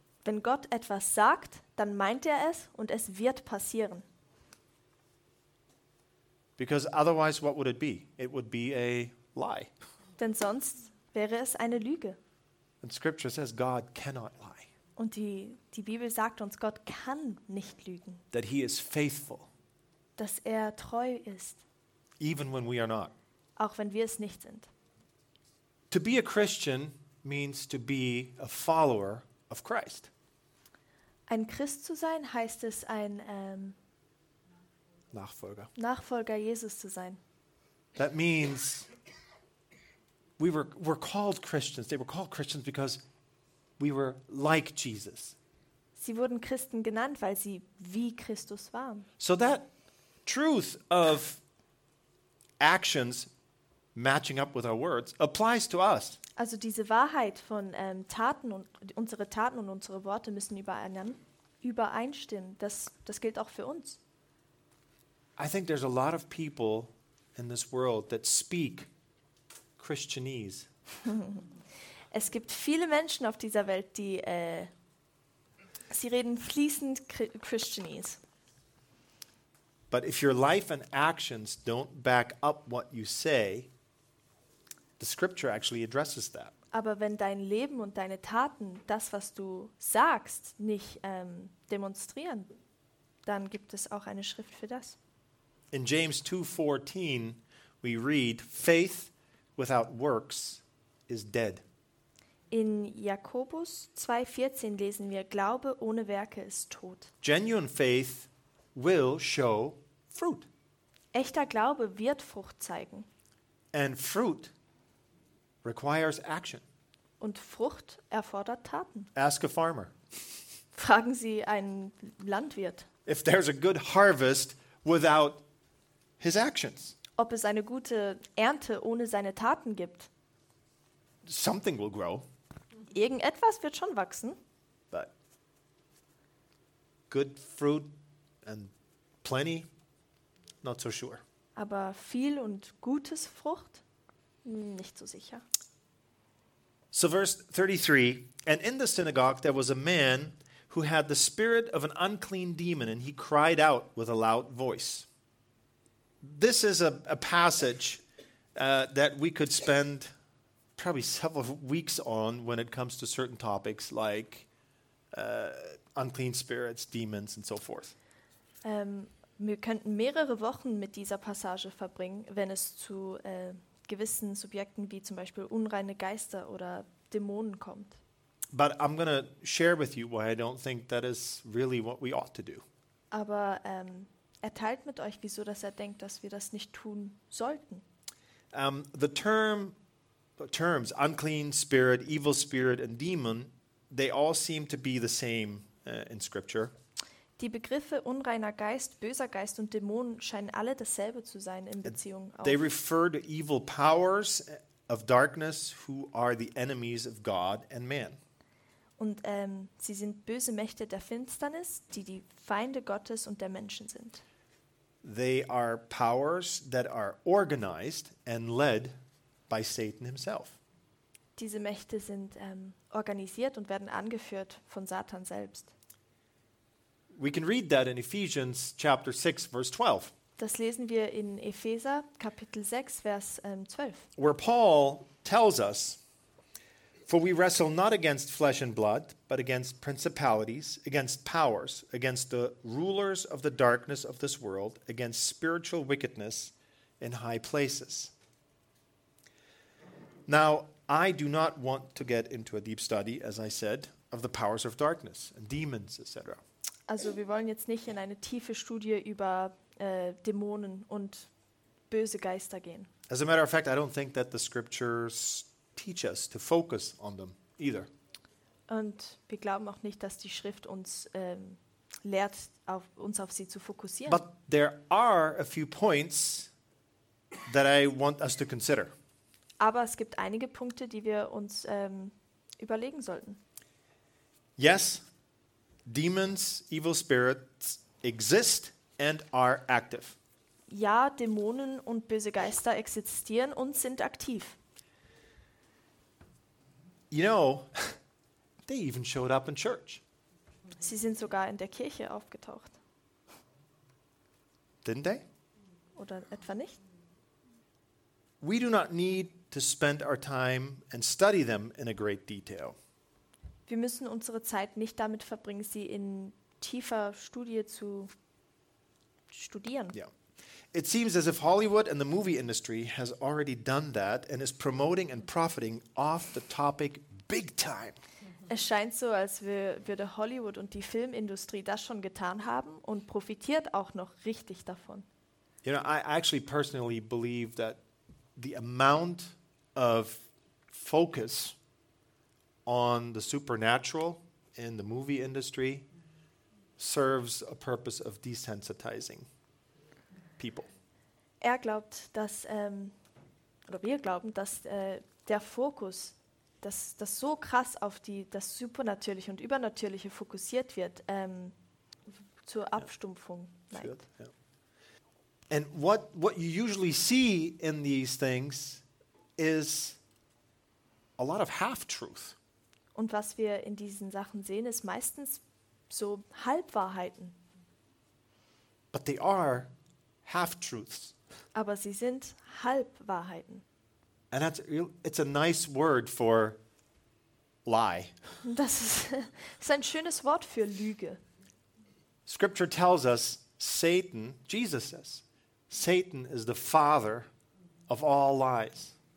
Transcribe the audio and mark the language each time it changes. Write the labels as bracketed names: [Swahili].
[German] Wenn Gott etwas sagt, dann meint er es und es wird passieren. [English] Because otherwise what would it be? It would be a lie. [German] Denn sonst wäre es eine Lüge. [English] And scripture says God cannot lie. [German] Und die Bibel sagt uns, Gott kann nicht lügen. [English] That he is faithful. [German] Dass er treu ist. [English] Even when we are not. [German] Auch wenn wir es nicht sind. [English] To be a Christian means to be a follower of Christ. [German] Ein Christ zu sein heißt es, ein Nachfolger Jesus zu sein. [English] That means we were called Christians. They were called Christians because we were like Jesus. [German] Sie wurden Christen genannt, weil sie wie Christus waren. [English] So that truth of actions matching up with our words applies to us. [German] Also diese Wahrheit von Taten und unsere Taten und unsere Worte müssen übereinstimmen. Das gilt auch für uns. [English] I think there's a lot of people in this world that speak Christianese. [German] Es gibt viele Menschen auf dieser Welt, die sie reden fließend Christianese. [English] But if your life and actions don't back up what you say, the scripture actually addresses that. [German] Aber wenn dein Leben und deine Taten das, was du sagst, nicht demonstrieren, dann gibt es auch eine Schrift für das. [English] In James 2:14 we read, faith without works is dead. [German] In Jakobus 2:14 lesen wir, Glaube ohne Werke ist tot. [English] Genuine faith will show fruit. [German] Echter Glaube wird Frucht zeigen. [English] And fruit requires action. [German] Und Frucht erfordert Taten. [English] Ask a farmer. [German] Fragen Sie einen Landwirt. [English] If there's a good harvest without his actions. [German] Ob es eine gute Ernte ohne seine Taten gibt. [English] something will grow. [German] Irgendetwas wird schon wachsen. [English] But good fruit and plenty, not so sure. [German] Aber viel und gutes Frucht, nicht so sicher. [English] So verse 33, and in the synagogue there was a man who had the spirit of an unclean demon, and he cried out with a loud voice. This is a passage that we could spend probably several weeks on when it comes to certain topics like unclean spirits, demons, and so forth. [German] Wir könnten mehrere Wochen mit dieser Passage verbringen, wenn es zu gewissen Subjekten wie zum Beispiel unreine Geister oder Dämonen kommt. [English] But I'm going to share with you why I don't think that is really what we ought to do. [German] Aber er teilt mit euch, wieso dass er denkt, dass wir das nicht tun sollten. [English] The terms unclean spirit, evil spirit and demon, they all seem to be the same in scripture. [German] Die Begriffe unreiner Geist, böser Geist und Dämon scheinen alle dasselbe zu sein in Beziehung auf. [English] They refer to evil powers of darkness who are the enemies of God and man. [German] Und sie sind böse Mächte der Finsternis, die die Feinde Gottes und der Menschen sind. [English] They are powers that are organized and led by Satan himself. [German] Diese Mächte sind organisiert und werden angeführt von Satan selbst. [English] We can read that in Ephesians chapter 6 verse 12. [German] Das lesen wir in Epheser Kapitel 6 Vers 12. [English] Where Paul tells us, for we wrestle not against flesh and blood, but against principalities, against powers, against the rulers of the darkness of this world, against spiritual wickedness in high places. Now, I do not want to get into a deep study, as I said, of the powers of darkness and demons, etc. [German] Also, wir wollen jetzt nicht in eine tiefe Studie über Dämonen und böse Geister gehen. [English] As a matter of fact, I don't think that the scriptures teach us to focus on them either. [German] Und wir glauben auch nicht, dass die Schrift uns lehrt, uns auf sie zu fokussieren. [English] But there are a few points that I want us to consider. [German] Aber es gibt einige Punkte, die wir uns überlegen sollten. [English] Yes, demons, evil spirits exist and are active. [German] Ja, Dämonen und böse Geister existieren und sind aktiv. [English] You know, they even showed up in church. [German] Sie sind sogar in der Kirche aufgetaucht. [English] Didn't they? [German] Oder etwa nicht? [English] We do not need to spend our time and study them in a great detail. [German] Wir müssen unsere Zeit nicht damit verbringen, sie in tiefer Studie zu studieren. [English] Yeah. It seems as if Hollywood and the movie industry has already done that and is promoting and profiting off the topic big time. [German] Es scheint so, als würde Hollywood und die Filmindustrie das schon getan haben und profitiert auch noch richtig davon. [English] You know, I actually personally believe that the amount of focus on the supernatural in the movie industry serves a purpose of desensitizing people. [German] Er glaubt, dass oder wir glauben, dass der Fokus, dass das so krass auf das Supernatürliche und Übernatürliche fokussiert wird, zur Abstumpfung neigt. [English] And what you usually see in these things is a lot of half-truth. [German] Und was wir in diesen Sachen sehen, ist meistens so Halbwahrheiten. [English] But they are half-truths. [German] Aber sie sind Halbwahrheiten. [English] And that's it's a nice word for lie. [German] Das ist ein schönes Wort für Lüge. [English] Scripture tells us Satan, Jesus says, Satan is the father of all lies.